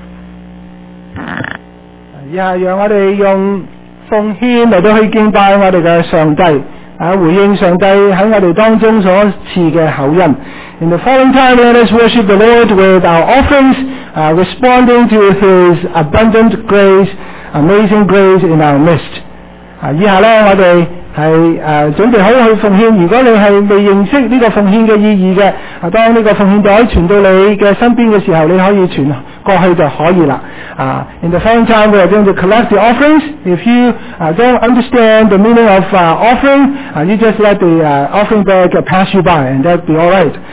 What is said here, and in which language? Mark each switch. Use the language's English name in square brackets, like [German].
[Chinese] 而是让我们用奉献来去敬拜我们的上帝，回应上帝在我们当中所赐的厚恩。 [English] In the following time, let us worship the Lord with our offerings, responding to His abundant grace, amazing grace in our midst. [Chinese] 以下呢，我们是准备好去奉献。如果你是未认识这个奉献的意义的，当这个奉献袋传到你的身边的时候，你可以传过去就可以了。 [English] In the following time, we are going to collect the offerings. If you don't understand the meaning of offering, you just let the offering bag pass you by, and that'll be all right.